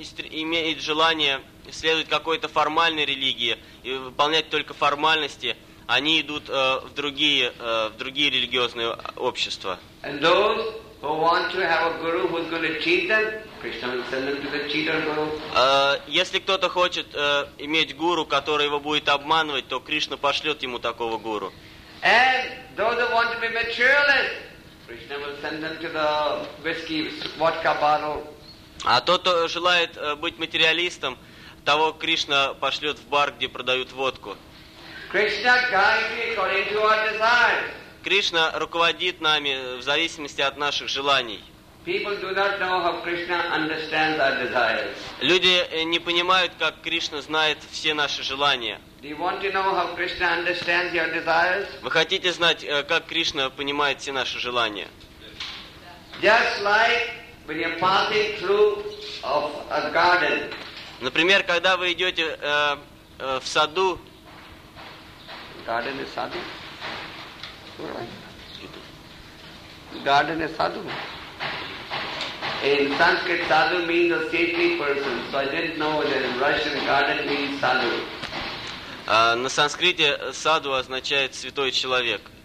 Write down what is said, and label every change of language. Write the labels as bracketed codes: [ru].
[ru] имеет желание следовать какой-то формальной религии и выполнять только формальности, они идут в другие религиозные общества. [en] And those who want to have a guru who's going to cheat them, Krishna will send them to the cheater guru. [ru] Если кто-то хочет иметь гуру, который его будет обманывать, то Кришна пошлет ему такого гуру. [en] And those who want to be materialist, Krishna will send them to the whiskey vodka bottle. [ru] А тот, кто желает быть материалистом, того Кришна пошлет в бар, где продают водку. [en] Krishna guides me according to our desires. [ru] Кришна руководит нами в зависимости от наших желаний. [en] People do not know how Krishna understands our desires. [ru] Люди не понимают, как Кришна знает все наши желания. [en] Do you want to know how Krishna understands your desires? [ru] Вы хотите знать, как Кришна понимает все наши желания? [en] Just like when you're passing through of a garden. [ru] Например, когда вы идете в саду. [en] Garden is sadhu. Garden is sadhu. In Sanskrit, sadhu means a saintly person. So I didn't know that in Russian, garden means sadhu. [ru] На санскрите sadhu означает святой человек.